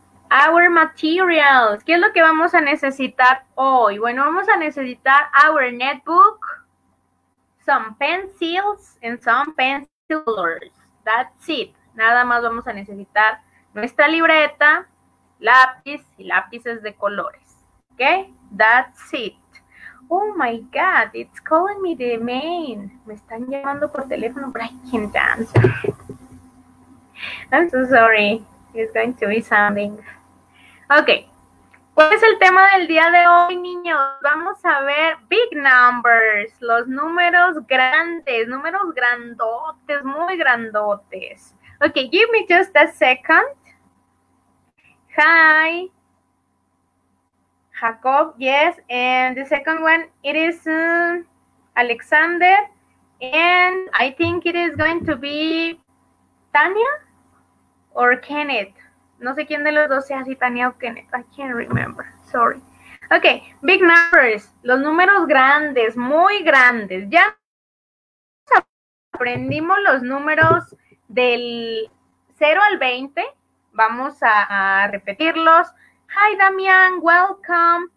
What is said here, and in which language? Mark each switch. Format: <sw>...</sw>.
<en>Our materials.</en> <es>¿Qué es lo que vamos a necesitar hoy? Bueno, vamos a necesitar</es> <en>our netbook, some pencils and some pencil holders. That's it.</en> <es>Nada más vamos a necesitar nuestra libreta, lápiz y lápices de colores.</es> <en>¿Ok? That's it. Oh my God, it's calling me the main.</en> <es>Me están llamando por teléfono,</es> <en>but I can't answer. I'm so sorry. It's going to be something.</en> <es>Ok, ¿cuál es el tema del día de hoy, niños? Vamos a ver</es> <en>big numbers,</en> <es>los números grandotes, muy grandotes.</es> <en>Ok, give me just a second. Hi, Jacob, yes, and the second one, it is Alexander, and I think it is going to be Tania or Kenneth.</en> <es>No sé quién de los dos sea, si Tania o Kenneth.</es> <en>I can't remember. Sorry. Ok, big numbers.</en> <es>Los números grandes, muy grandes. Ya aprendimos los números del 0 al 20. Vamos a repetirlos.</es> <en>Hi,</en> <es>Damián.</es> <en>Welcome.</en>